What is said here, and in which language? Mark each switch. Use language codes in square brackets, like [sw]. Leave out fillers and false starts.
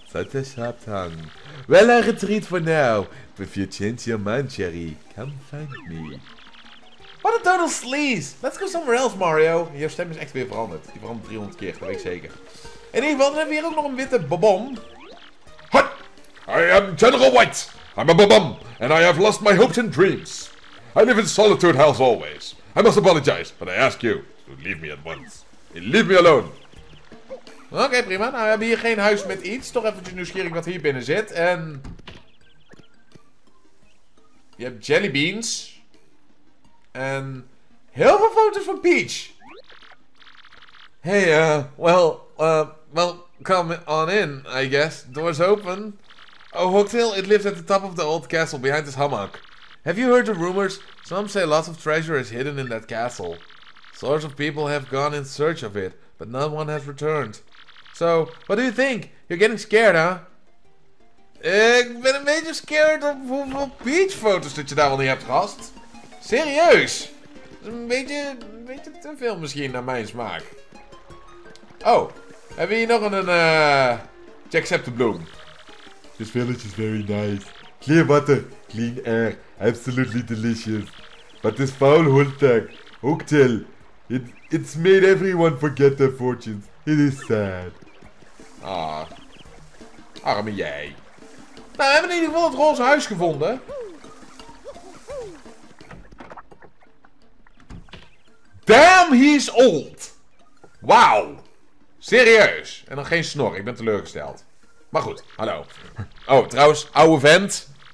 [en] Such a sharp tongue. Well, I retreat for now. But if you change your mind, Cherry, come find me. What a total sleaze. Let's go somewhere else, Mario. [nl] Je stem is echt weer veranderd. Die verandert 300 keer, dat weet ik zeker. In ieder geval, dan hebben we hier ook nog een witte bobom. [en] Hut! I am General White. I'm a bobom. And I have lost my hopes and dreams. I live in solitude hell always. I must apologize, but I ask you to leave me at once. Leave me alone. [nl] Oké, prima. Nou, we hebben hier geen huis met iets. Toch eventjes nieuwsgierig wat hier binnen zit. En je hebt jellybeans. En heel veel foto's van Peach. [en] Hey, well, come on in, I guess. Doors open. Oh, Hooktail, it lives at the top of the old castle behind this hammock. Have you heard the rumors? Some say lots of treasure is hidden in that castle. Sorts of people have gone in search of it, but no one has returned. So, what do you think? You're getting scared, huh? [nl] Ik ben een beetje scared op hoeveel Peach-foto's dat je daar al niet hebt, gast. Serieus? Een beetje te veel misschien naar mijn smaak. Oh, hebben we hier nog een Jacksepticeye bloem? [en] This village is very nice. Clear water, clean air, absolutely delicious. But this foul Hooktail, it's made everyone forget their fortunes. It is sad. [nl] Ah, arme jij. Nou, we hebben in ieder geval het roze huis gevonden. [en] Damn, he's old. [nl] Wauw. Serieus. En dan geen snor, ik ben teleurgesteld. Maar goed, hallo. Oh, trouwens, oude vent.